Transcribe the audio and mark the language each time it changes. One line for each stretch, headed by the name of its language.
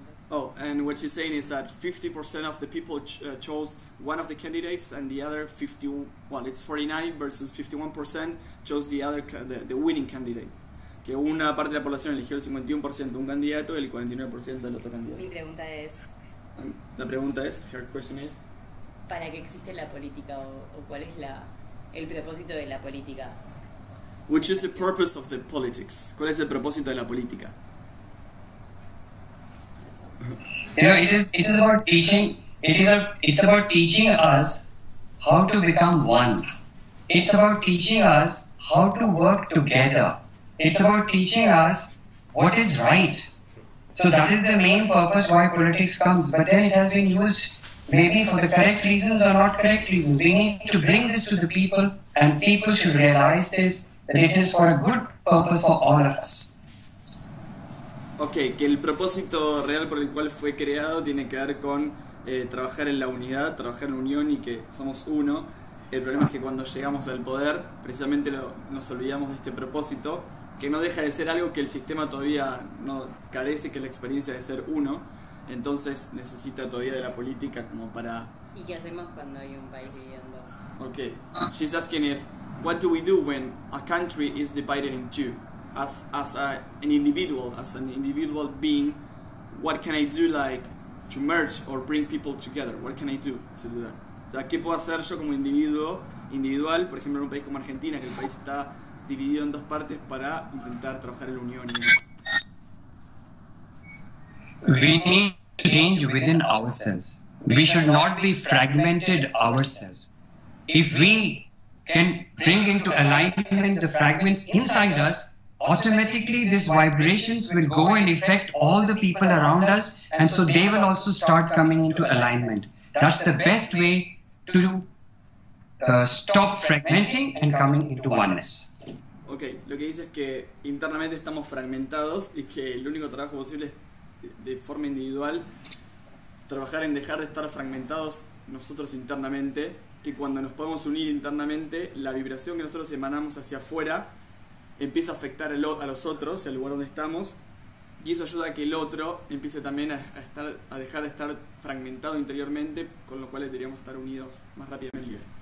English: Oh, and what she's saying is that 50% of the people chose one of the candidates, and the other 49 versus 51% chose the other the winning candidate.
Spanish: Que una parte de la población eligió el 51% de un candidato y el 49% del otro candidato. Mi pregunta es...
English: Her question is...
Spanish: ¿Para qué existe la política o cuál es el propósito de la política?
English: Which is the purpose of the politics?
Spanish: ¿Cuál es el propósito de la política?
English: You know, it is about teaching... It's about teaching us how to become one. It's about teaching us how to work together. It's about teaching us what is right. So that is the main purpose why politics comes. But then it has been used maybe for the correct reasons or not correct reasons. We need to bring this to the people, and people should realize this, that it is for a good purpose for all of us.
Spanish: Okay, que el propósito real por el cual fue creado tiene que ver con trabajar en la unidad, trabajar en unión y que somos uno. El problema es que cuando llegamos al poder, precisamente nos olvidamos de este propósito, que no deja de ser algo que el sistema todavía no carece, que es la experiencia de ser uno. Entonces necesita todavía de la política como para... ¿Y qué hacemos cuando hay un país dividido?
English: Okay, she's asking if what do we do when a country is divided in two, as an individual being, what can I do like to merge or bring people together? What can I do to do that?
Spanish: O sea, ¿qué puedo hacer yo como individual, por ejemplo, en un país como Argentina, que el país está dividido en dos partes, para intentar trabajar en la unión?
English: We need to change within ourselves. We should not be fragmented ourselves. If we can bring into alignment the fragments inside us, automatically these vibrations will go and affect all the people around us, and so they will also start coming into alignment. That's the best way to stop fragmenting and coming into oneness.
Spanish: Okay, lo que dice es que internamente estamos fragmentados y que el único trabajo posible es de forma individual trabajar en dejar de estar fragmentados nosotros internamente, que cuando nos podemos unir internamente, la vibración que nosotros emanamos hacia afuera empieza a afectar a los otros, al lugar donde estamos, y eso ayuda a que el otro empiece también a dejar de estar fragmentado interiormente, con lo cual deberíamos estar unidos más rápidamente.